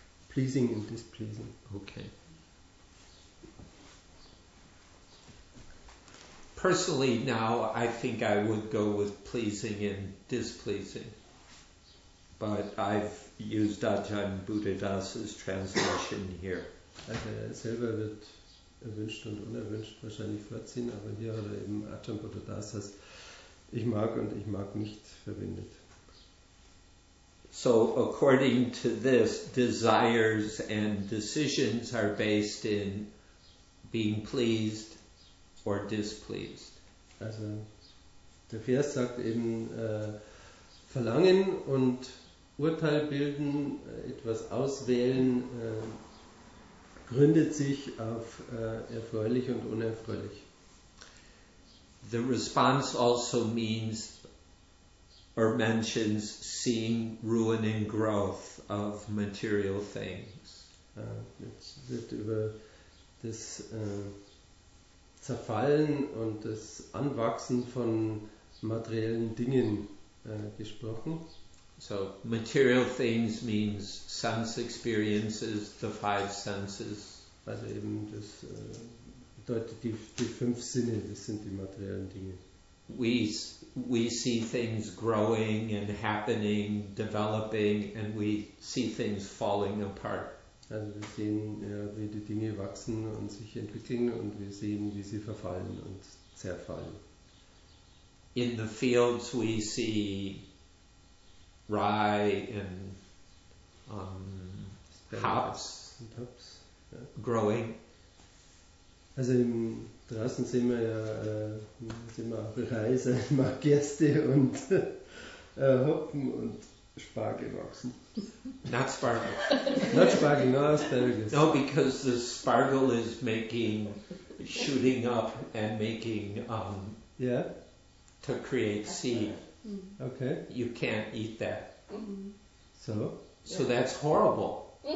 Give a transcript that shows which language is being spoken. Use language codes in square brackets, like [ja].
[en] Pleasing and displeasing. Okay. Personally, now I think I would go with pleasing and displeasing, but I've use Dajahn Buddhadasa's translation here. [de] Also er selber wird erwünscht und unerwünscht wahrscheinlich vorziehen, aber hier hat er eben Ajahn Buddhadasa's ich mag und ich mag nicht verwendet. [en] So according to this, desires and decisions are based in being pleased or displeased. [de] Also der Vers sagt eben, Verlangen und Urteil bilden, etwas auswählen, gründet sich auf erfreulich und unerfreulich. [en] The response also means or mentions seeing ruin and growth of material things. [de] Jetzt wird über das Zerfallen und das Anwachsen von materiellen Dingen gesprochen. [en] So material things means sense experiences, the five senses. [de] Also eben das bedeutet die fünf Sinne, das sind die materiellen Dinge. [en] We see things growing and happening, developing, and we see things falling apart. [de] Also wir sehen, ja, wie die Dinge wachsen und sich entwickeln, und wir sehen, wie sie verfallen und zerfallen. [en] In the fields we see rye and hops growing. [de] Also im draußen sehen wir ja Reis, Gerste und Hopfen und Spargel wachsen. [en] Not Spargel. Not Spargel, no asparagus. No, because the Spargel is making, shooting up and making, yeah, to create seed. Okay. You can't eat that. So? So that's horrible.